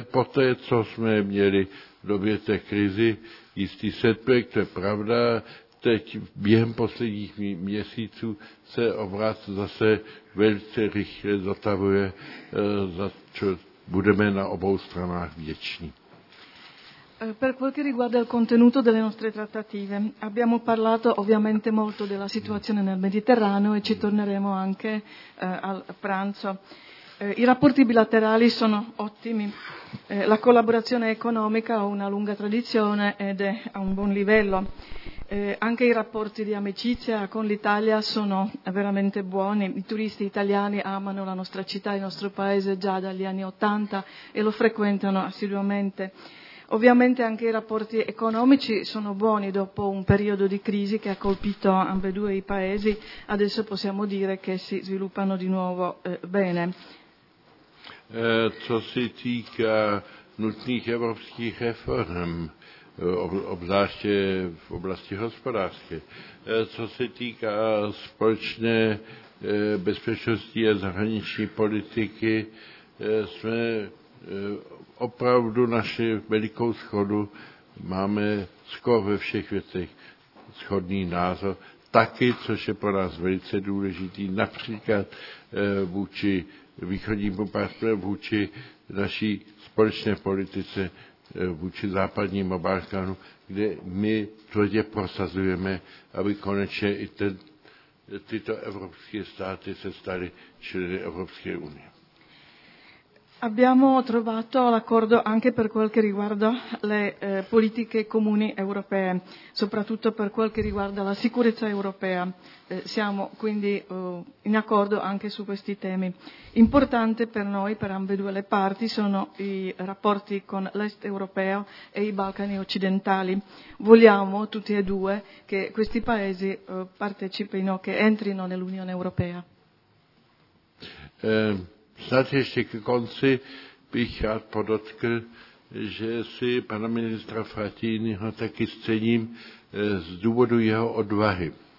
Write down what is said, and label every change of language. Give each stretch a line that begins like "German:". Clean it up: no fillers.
Czech: Poté, co jsme měli v době té krizi jistý setback, to je pravda, teď během posledních měsíců se obraz zase velice rychle zotavuje, za co budeme na obou stranách vděční.
Italian: Per quel che riguarda il contenuto delle nostre trattative, abbiamo parlato ovviamente molto della situazione nel Mediterraneo e ci torneremo anche al pranzo. I rapporti bilaterali sono ottimi, la collaborazione economica ha una lunga tradizione ed è a un buon livello. Anche i rapporti di amicizia con l'Italia sono veramente buoni. I turisti italiani amano la nostra città, il nostro paese già dagli anni 80 e lo frequentano assiduamente. Ovviamente anche i rapporti economici sono buoni dopo un periodo di crisi che ha colpito ambedue i paesi. Adesso possiamo dire che si sviluppano di nuovo bene.
Czech: Co si týká nutných evropských reform, obzvláště v oblasti hospodářské, co se týká společné bezpečnosti a zahraniční politiky, jsme opravdu naši velikou shodu, máme skoro ve všech věcech shodný názor, taky, což je pro nás velice důležitý, například vůči východnímu partneru, vůči naší společné politice, vůči západnímu Balkánu, kde my tvrdě prosazujeme, aby konečně i tyto evropské státy se staly členy Evropské unie.
Italian: Abbiamo trovato l'accordo anche per quel che riguarda le politiche comuni europee, soprattutto per quel che riguarda la sicurezza europea. Siamo quindi in accordo anche su questi temi. Importante per noi, per ambedue le parti, sono i rapporti con l'est europeo e i Balcani occidentali. Vogliamo tutti e due che questi paesi partecipino, che entrino nell'Unione Europea.
Czech: Snad ještě ke konci bych rád podotkl, že si pana ministra Frattiniho taky cením z důvodu jeho odvahy.